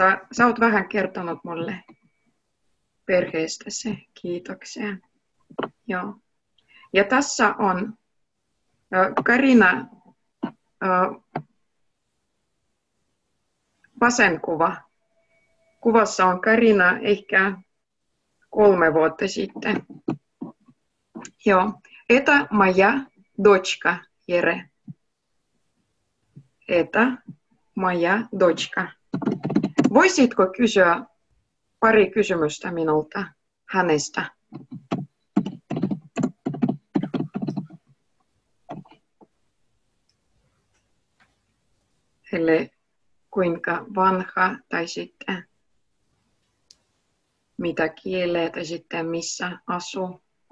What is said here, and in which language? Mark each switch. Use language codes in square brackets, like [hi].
[fi] Sä oot vähän kertonut mulle perheestäsi. Kiitoksia. Joo. Ja tässä on Karina vasen kuva. Kuvassa on Karina ehkä 3 vuotta sitten. Joo. [ru] Это моя дочка, Jere. Это моя дочка. [fi] Voisitko kysyä 2 kysymystä minulta hänestä? Eli kuinka vanha tai sitten mitä kieleä tai sitten missä asuu?